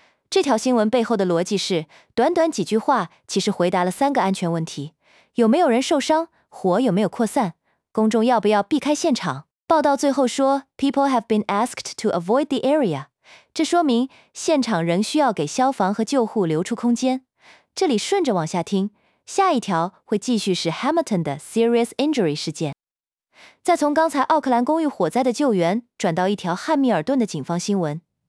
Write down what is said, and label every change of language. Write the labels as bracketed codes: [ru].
[zh] 这条新闻背后的逻辑是，短短几句话其实回答了三个安全问题：有没有人受伤？火有没有扩散？公众要不要避开现场？报道最后说 [en] ，People have been asked to avoid the area. [zh] 这说明现场仍需要给消防和救护留出空间。这里顺着往下听。下一条会继续是 Hamilton 的 serious injury 事件。再从刚才奥克兰公寓火灾的救援转到一条汉密尔顿的警方新闻。